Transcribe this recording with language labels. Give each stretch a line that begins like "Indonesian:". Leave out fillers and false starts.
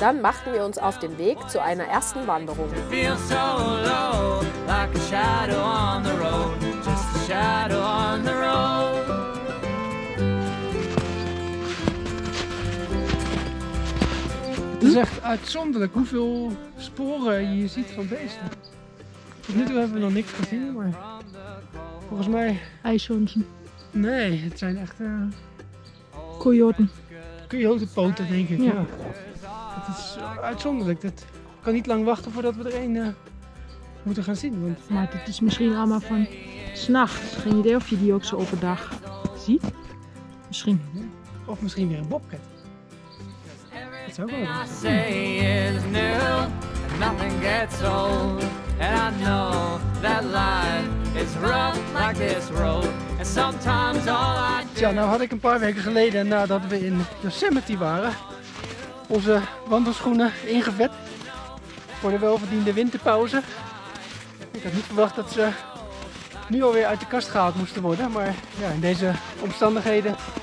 German: Dann machten wir uns auf den Weg zu einer ersten Wanderung.
English: It feels so low, like a shadow on the road, just a shadow on the road.
Dutch: Het is echt uitzonderlijk hoeveel sporen je hier ziet van beesten. Tot nu toe hebben we nog niks gezien, maar volgens mij... IJshonsen. Nee, het zijn echt... Coyoten. Coyotenpoten, denk ik. Ja. Het is uitzonderlijk. Ik kan niet lang wachten voordat we er één moeten gaan zien. Want... Maar het is misschien allemaal van 's nachts. Geen idee of je die ook zo overdag ziet. Misschien. Of misschien weer een bobcat.
English: Everything I say is new, nothing gets old, and I know that life is rough like this road, and sometimes all I do...
Dutch: Tja, nou had ik een paar weken geleden, nadat we in Yosemite waren, onze wandelschoenen ingevet voor de welverdiende winterpauze. Ik had niet verwacht dat ze nu alweer uit de kast gehaald moesten worden, maar ja, in deze omstandigheden...